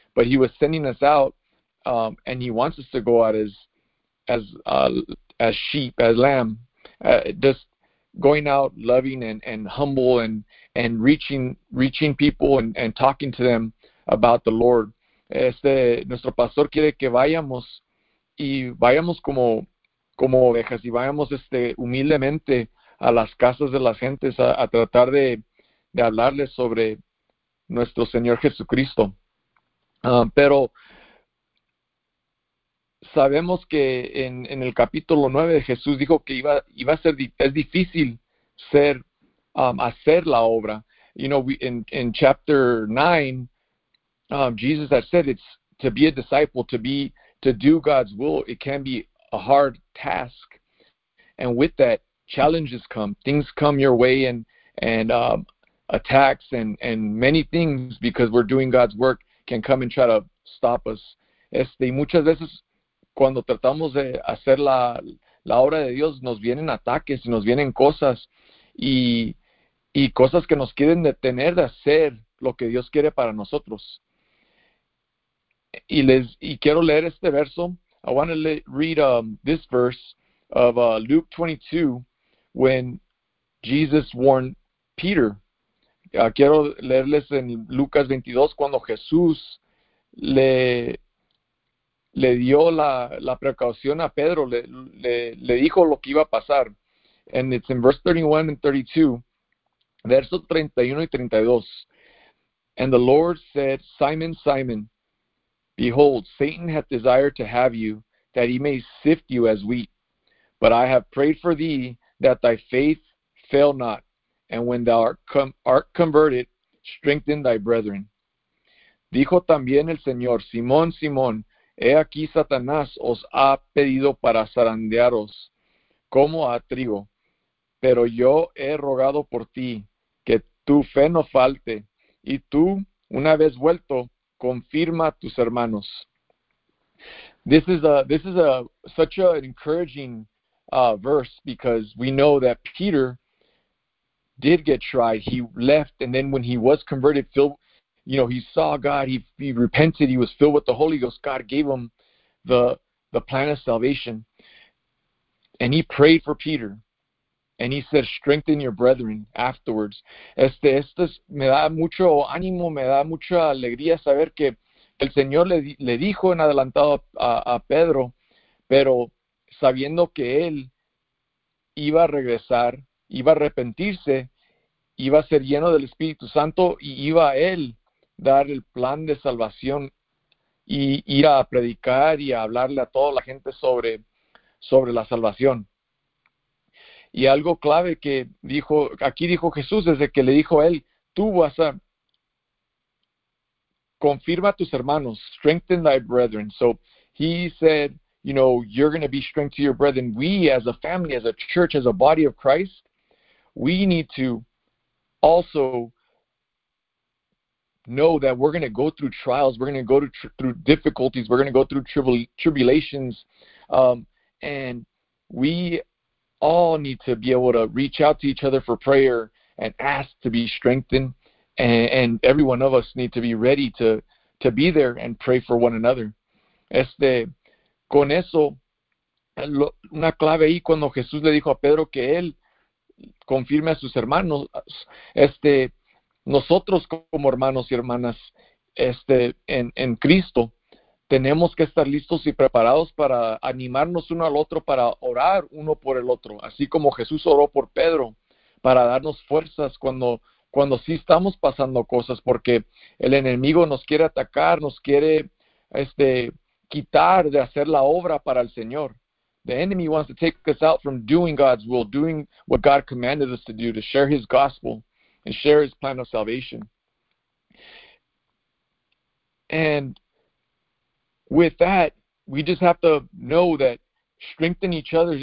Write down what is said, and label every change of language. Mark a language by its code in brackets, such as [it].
[en] But he was sending us out, and he wants us to go out as sheep, as lamb, just going out, loving and humble and reaching people and talking to them about the Lord. [es] Nuestro pastor quiere que vayamos y vayamos como ovejas y vayamos humildemente a las casas de las gentes a tratar de hablarles sobre nuestro Señor Jesucristo. Pero sabemos que en el capítulo 9 Jesús dijo que iba a ser es difícil ser hacer la obra. [en] You know, in chapter 9, Jesus had said it's to be a disciple, to do God's will, it can be a hard task. And with that, challenges come, things come your way and attacks and many things, because we're doing God's work, can come and try to stop us. [es] Y muchas veces cuando tratamos de hacer la obra de Dios, nos vienen ataques y nos vienen cosas y cosas que nos quieren detener de hacer lo que Dios quiere para nosotros. Y quiero leer este verso. [en] I want to read this verse of Luke 22, when Jesus warned Peter. [es] Quiero leerles en Lucas 22, cuando Jesús le dio la precaución a Pedro, le dijo lo que iba a pasar. [en] And it's in verse 31 and 32, [es] versos 31 y 32. [en] And the Lord said, Simon, Simon, behold, Satan hath desired to have you, that he may sift you as wheat. But I have prayed for thee, that thy faith fail not, and when thou art converted, strengthen thy brethren. [es] Dijo también el Señor, Simón, Simón, he aquí Satanás os ha pedido para zarandearos como a trigo, pero yo he rogado por ti que tu fe no falte, y tú, una vez vuelto, confirma tus hermanos. [en] This is such an encouraging verse, because we know that Peter did get tried. He left, and then when he was converted, he saw God. He repented. He was filled with the Holy Ghost. God gave him the plan of salvation, and he prayed for Peter, and he said, "Strengthen your brethren." Afterwards, [es] me da mucho ánimo, me da mucha alegría saber que el Señor le dijo en adelantado a Pedro, pero sabiendo que él iba a regresar, iba a arrepentirse iba a ser lleno del Espíritu Santo y iba a él dar el plan de salvación y ir a predicar y a hablarle a toda la gente sobre la salvación. Y algo clave que dijo, aquí dijo Jesús, desde que le dijo a él, tú vas a confirma a tus hermanos, [en] strengthen thy brethren. So he said, you know, you're going to be strength to your brethren. We as a family, as a church, as a body of Christ, we need to also know that we're going to go through trials, we're going to go through difficulties, we're going to go through tribulations, and we all need to be able to reach out to each other for prayer and ask to be strengthened, and every one of us need to be ready to be there and pray for one another. [es] Con eso, una clave ahí cuando Jesús le dijo a Pedro que él confirme a sus hermanos, nosotros como hermanos y hermanas, en Cristo, tenemos que estar listos y preparados para animarnos uno al otro, para orar uno por el otro, así como Jesús oró por Pedro, para darnos fuerzas cuando sí estamos pasando cosas, porque el enemigo nos quiere atacar, nos quiere quitar de hacer la obra para el Señor. [en] The enemy wants to take us out from doing God's will, doing what God commanded us to do, to share his gospel and share his plan of salvation. And with that, we just have to know that strengthen each other.